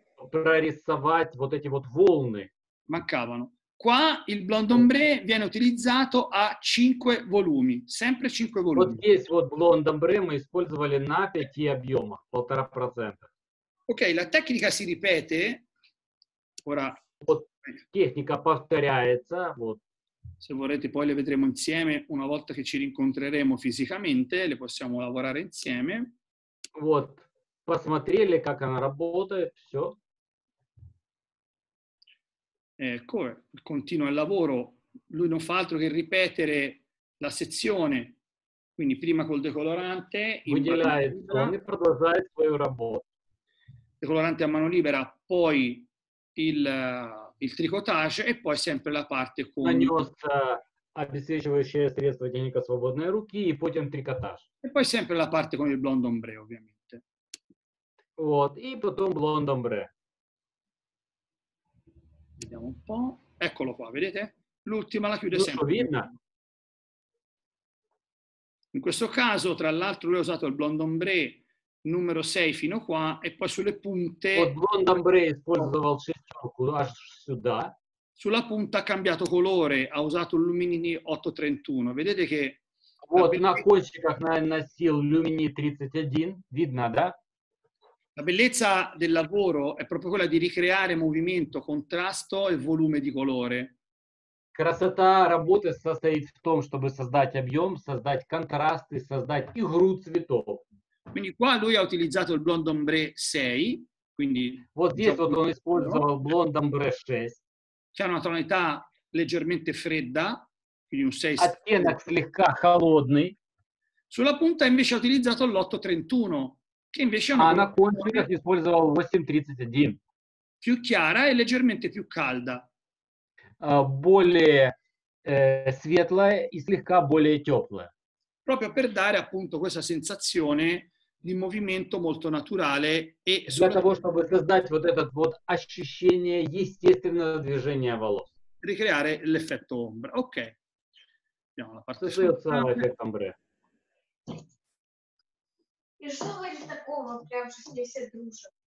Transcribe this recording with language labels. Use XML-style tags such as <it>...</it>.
<ru>прорисовать вот эти вот волны.</ru> <it>Mancavano. Qua il blond ombre viene utilizzato a 5 volumi, sempre 5 volumi.</it> <ru>Вот здесь вот blond ombre мы использовали на 5 объёмах, 1.5%.</ru> <it>Ok, la tecnica si ripete. Ora</it> <ru>вот tecnica повторяется, вот.</ru> <it>Se vorrete poi le vedremo insieme una volta che ci rincontreremo fisicamente, le possiamo lavorare insieme.</it> <ru>Вот. Посмотрели, как она работает, всё.</ru> <it>Ecco, continua il lavoro. Lui non fa altro che ripetere la sezione. Quindi prima col decolorante, decolorante a mano libera, poi il tricotage e poi sempre la parte con</it> <ru>обезвечивающее средство тенника свободной руки и потом трикотаж.</ru> <it>E poi sempre la parte con il blond ombre, ovviamente.</it> <ru>Вот, и потом blond ombre.</ru> <it>Vediamo un po'. Eccolo qua, vedete? L'ultima la chiude sempre. In questo caso, tra l'altro, lui ha usato il blond ombre numero 6 fino qua e poi sulle punte.</it> <ru>Blond ombre использовал шестёрку аж сюда.</ru> <it>Sulla punta ha cambiato colore, ha usato il Lumini 831. Vedete che</it> <ru>вот на кончиках наносил Lumini 31, видно, да?</ru> <it>La bellezza del lavoro è proprio quella di ricreare movimento, contrasto e volume di colore.</it> <ru>Красота работы состоит в том, чтобы создать объём, создать контраст и создать игру цветов.</ru> <it>Quindi qua lui ha utilizzato il Blond Ombre 6, quindi</it> <ru>вот здесь вот он использовал Blond Ombre 6.</ru> <it>C'è una tonalità leggermente fredda, quindi un 6.</it> <ru>Оттенок слегка холодный.</ru> <it>Sulla punta invece ha utilizzato l'831. Che invece ha una tonalità che</it> <ru>использовал</ru> <it>831. Più chiara e leggermente più calda.</it> <ru>Более светлая и слегка более теплая.</ru> <it>Proprio per dare appunto questa sensazione di movimento molto naturale e</it> <ru>для того, чтобы создать вот этот вот ощущение естественного движения волос.</ru> <it>Ricreare l'effetto ombra. Ok. Vediamo la parte sotto. L'effetto ombra.</it> <ru>И что вы из такого, прям что здесь все дружат?</ru>